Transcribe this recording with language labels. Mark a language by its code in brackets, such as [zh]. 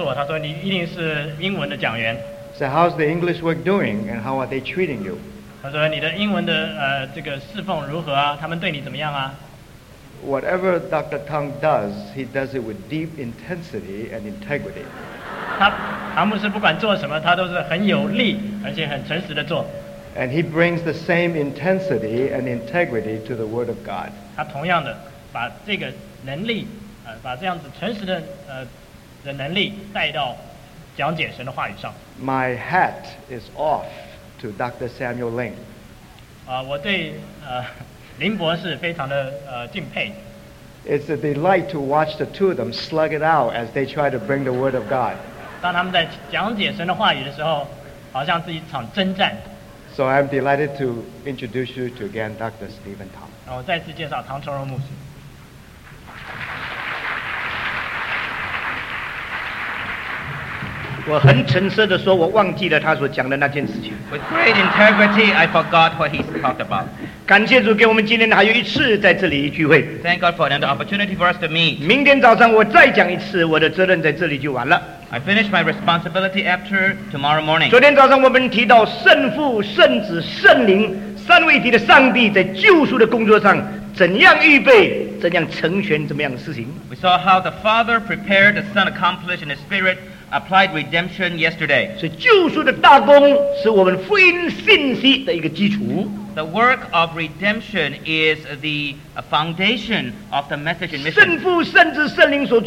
[zh] 他看到我的时候，他这样做，他说你一定是英文的讲员。 [en] So how's the English work doing, and how are they treating you? [zh] 他说你的英文的这个侍奉如何啊？他们对你怎么样啊？ [en] Whatever Dr. Tong does, he does it with deep intensity and integrity. [zh] 唐牧师不管做什么，他都是很有力而且很诚实的做。 [en] And he brings the same intensity and integrity to the Word of God. [zh] 他同样的把这个能力，把这样子诚实的能力带到讲解神的话语上。 [en] My hat is off to Dr. Samuel Ling. [zh] 我对林博士非常的敬佩。 [en] It's a delight to watch the two of them slug it out as they try to bring the Word of God. [zh] 当他们在讲解神的话语的时候，好像是一场征战。 [en] So I'm delighted to introduce you to again Dr. Stephen Tong. [zh] 我再次介绍唐崇荣牧师。我很诚实地说，我忘记了他所讲的那件事情。 [en] With great integrity, I forgot what he talked about. [zh] 感谢主给我们今天还有一次在这里聚会。 [en] Thank God for another opportunity for us to meet. [zh] 明天早上我再讲一次，我的责任在这里就完了。 [en] I finish my responsibility after tomorrow morning. [zh] 昨天早上我们提到圣父、圣子、圣灵三位一体的上帝在救赎的工作上。怎样预备，怎样成全，怎么样的事情？ [en] We saw how the Father prepared, the Son accomplished, and the Spirit applied redemption yesterday. [zh] 是救赎的大功，是我们福音信息的一个基础。 [en] The work of redemption is the foundation of the message and mission.